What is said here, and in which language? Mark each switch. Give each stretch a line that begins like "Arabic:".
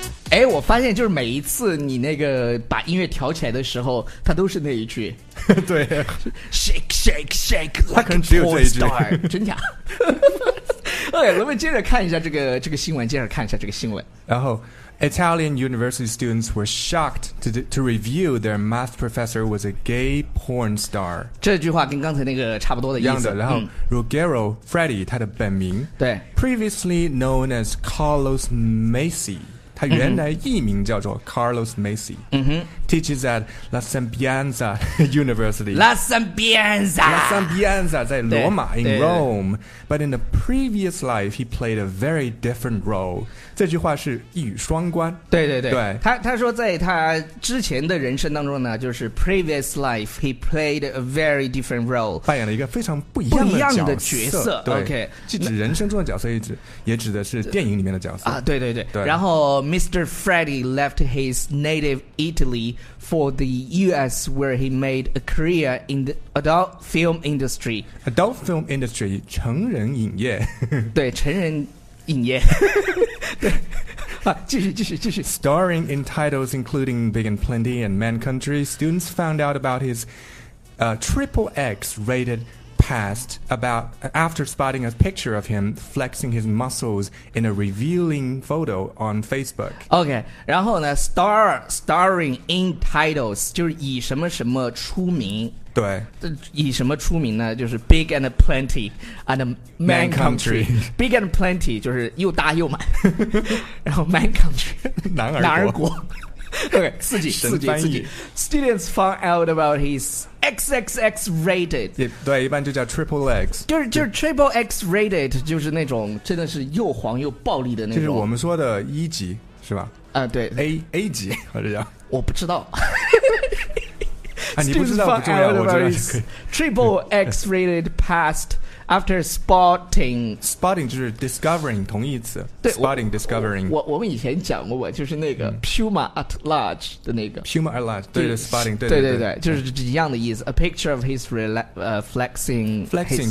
Chinese: 哎，我发现就是每一次你那个把音乐调起来的时候，它都是那一句。对
English: ，shake shake shake like a porn star，
Chinese: 真假？哎，咱们接着看一下这个新闻，接着看一下这个新闻。然后。
English: Italian university students were shocked to review their math professor was a gay porn star.
Chinese: 这句话跟刚才那个差不多的意思。一样的。然后 Ruggero Freddy 他的本名。对。
English: Previously known as Carlos Macy，
Chinese: 他他原来艺名叫做 Carlos Macy、嗯、哼
English: teaches at La Sapienza University La Sapienza La Sapienza
Chinese: 在罗马
English: in Rome But in a previous life he played a very different role
Chinese: 这句话是一语双关对对 对, 对他说在他之前的人生当中呢就是
English: previous life he played a very different role
Chinese: 扮演了一个非常不一样的角色, 的角色对、
English: okay、
Chinese: 既指人生中的角色也指的是电影里面的角色、啊、对对 对, 对然后Mr.
English: Freddy left his native Italy for the U.S. where he made a career in the adult film industry. Adult film industry,
Chinese: 成人影业。对，成人影业。对，继续，继续，继续。
English: Starring in titles including Big and Plenty and Man Country, students found out about his triple X rated past about after spotting a picture of him flexing his muscles in a revealing photo on Facebook.
Chinese: Okay, 然后呢
English: starring in titles,
Chinese: 就是以什么什么出名。对。以什么出名呢就是 Big and Plenty and
English: Man Country.
Chinese: Big and Plenty, 就是又大又满。然后 Man Country, 男儿国。
English: OK,
Chinese: 四季四季四季
English: Students found out about his XXX rated
Chinese: 对一般就叫 Triple X 就是 Triple X rated 就是那种真的是又黄又暴力的那种就是我们说的一级是吧对 A 级或者叫我不知道你不知道不重要我觉得可以
English: Triple X rated past After spotting
Chinese: Spotting 就是 discovering 同义词对
English: Spotting discovering
Chinese: 我们以前讲过就是那个 Puma at large 的那个
English: Puma at large
Chinese: 对对
English: Spotting
Chinese: 对对对, 对, 对, 对, 对就是一样的意思
English: A picture of his flexing